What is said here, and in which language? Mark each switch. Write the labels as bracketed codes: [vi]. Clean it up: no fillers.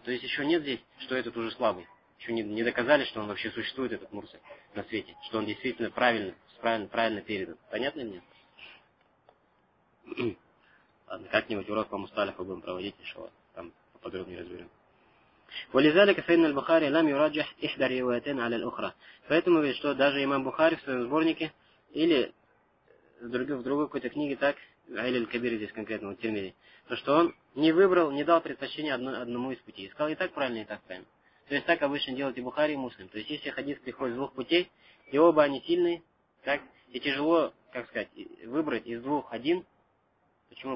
[ru] То есть еще нет здесь, что этот уже слабый. Еще не доказали, что он вообще существует, этот мурсаль, на свете. Что он действительно правильно передан. Понятно ли мне? Ладно, как-нибудь урок по мусталиху будем проводить, еще вот, там поподробнее разберем. [ar] ولذلك فإن البخاري لم يرجح إحدى الروايتين على الأخرى. [ru] Поэтому ведь что даже имам Бухари в своем сборнике или в другой какой-то книге так, или Аль-Кабир здесь конкретно, в Тирмизи, то что он не выбрал, не дал предпочтение одному из путей. Сказал и так правильно, и так правильно. То есть так обычно делают и Бухари, и Муслим. То есть если хадис приходит с двух путей, и оба они сильные, так, и тяжело, как сказать, выбрать из двух один. Почему?